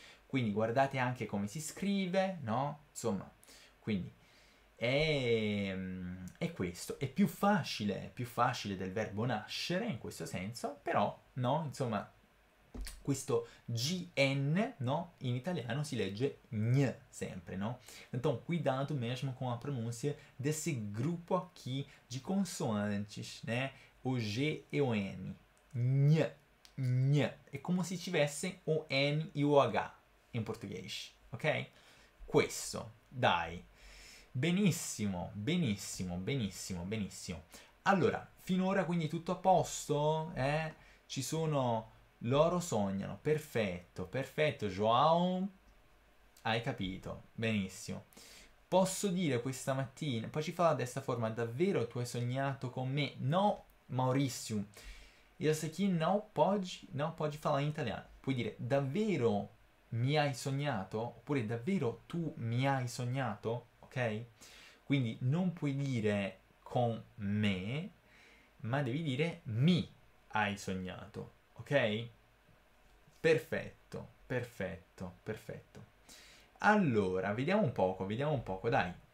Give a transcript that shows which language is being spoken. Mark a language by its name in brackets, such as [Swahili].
[Italian] Quindi guardate anche come si scrive, no? Insomma, quindi è questo. È più facile del verbo nascere in questo senso, però, no? Insomma, questo GN, no? In italiano si legge gn sempre, no? [Portuguese] Então, cuidado mesmo com a pronúncia desse grupo aqui de consoantes, né? O G e o N. Gn, gn. É como se tivessem o N e o H em português, ok? [Italian] Questo, dai. Benissimo, benissimo, benissimo, benissimo. Allora, finora quindi tutto a posto? Ci sono. Loro sognano, perfetto, perfetto, João. Hai capito, benissimo. Posso dire questa mattina, poi ci fa di questa forma, davvero tu hai sognato con me? No, Maurício. [Portuguese] Isso aqui não pode falar em italiano. [Italian] Puoi dire davvero mi hai sognato? Oppure davvero tu mi hai sognato? Ok? Quindi non puoi dire con me, ma devi dire mi hai sognato. Ok? Perfetto, perfetto, perfetto. Allora, vediamo un poco, dai.